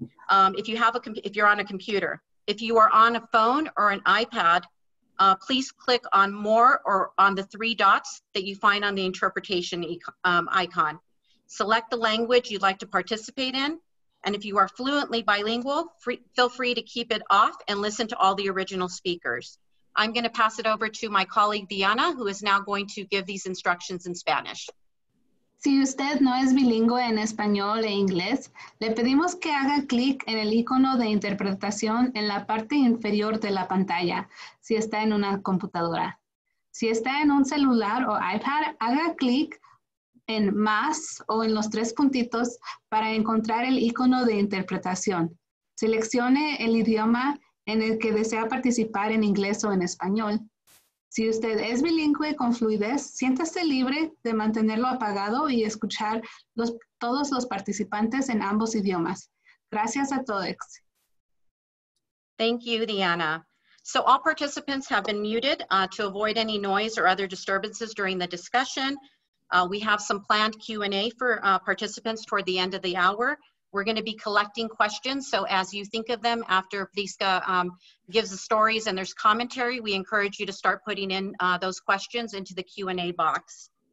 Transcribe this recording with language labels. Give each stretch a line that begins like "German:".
English: If you're on a computer, if you are on a phone or an iPad, please click on more or on the three dots that you find on the interpretation icon. Select the language you'd like to participate in. And if you are fluently bilingual, feel free to keep it off and listen to all the original speakers. I'm going to pass it over to my colleague, Diana, who is now going to give these instructions in Spanish.
Spanish: Si usted no es bilingüe en español e inglés, le pedimos que haga clic en el icono de interpretación en la parte inferior de la pantalla, si está en una computadora. Si está en un celular o iPad, haga clic en más o en los tres puntitos para encontrar el icono de interpretación. Seleccione el idioma en el que desea participar en inglés o en español. Si usted es bilingüe con fluidez, siéntase libre de mantenerlo apagado y escuchar todos los participantes en ambos idiomas. Gracias a todos.
English: Thank you, Diana. So all participants have been muted to avoid any noise or other disturbances during the discussion. We have some planned Q&A for participants toward the end of the hour. We're going to be collecting questions, so as you think of them after Prisca gives the stories and there's commentary, we encourage you to start putting in those questions into the Q&A box.